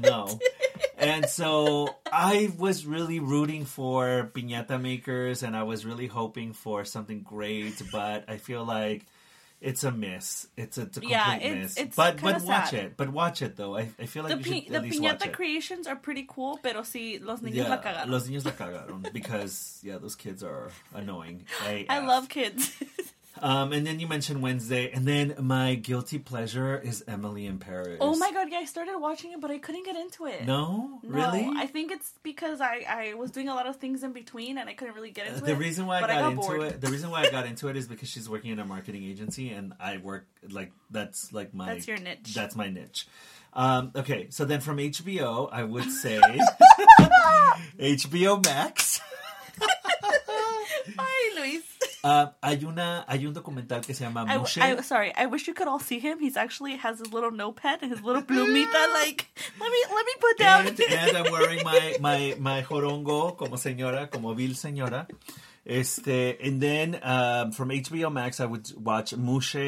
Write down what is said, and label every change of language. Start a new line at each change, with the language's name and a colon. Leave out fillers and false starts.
English: No. And so I was really rooting for Piñata Makers, and I was really hoping for something great, but I feel like it's a miss. It's a complete miss. But watch it. But watch it, though. I feel like you should at least watch it. The piñata creations are pretty cool,
Spanish: pero si los niños la cagaron. Los niños la cagaron.
English: Because, yeah, those kids are annoying. I love kids. And then you mentioned Wednesday. And then my guilty pleasure is Emily in Paris. Oh, my God. Yeah, I started watching it, but I couldn't get into it. No? Really? No, I think it's because I was doing a lot of things in between, and I couldn't really get into it. The reason why I got into it is because she's working in a marketing agency, and I work, like, that's, like, my... That's your niche. That's my niche. Okay, so then from HBO, I would say... HBO Max. Hi, Luis.
Spanish: Hay un documental que se llama Mushe.
English: I wish you could all see him. He's actually has his little notepad and his little plumita. Like, let me put down. And I'm wearing my jorongo
Spanish: como señora, como vil señora.
English: And then from HBO Max, I would watch Mushe.